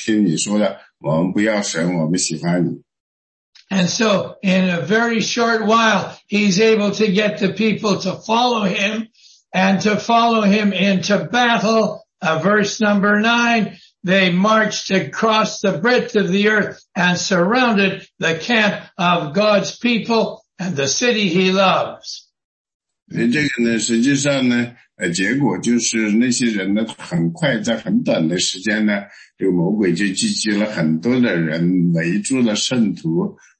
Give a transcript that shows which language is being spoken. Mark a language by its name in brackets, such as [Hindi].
[Chinese] 现在就是实际上事实就是呢，当魔鬼出来开始欺骗列国的时候呢，所有的人从四面八方都来跟那个魔鬼说：“魔鬼，我们想听你说的，我们不要神，我们喜欢你。” [English] And so in a very short while, he's able to get the people to follow him and to follow him into battle. Verse number 9, they marched across the breadth of the earth and surrounded the camp of God's people and the city he loves. [Chinese] 这个呢，实际上呢，结果就是那些人呢，很快在很短的时间呢，这个魔鬼就聚集了很多的人，围住了圣徒。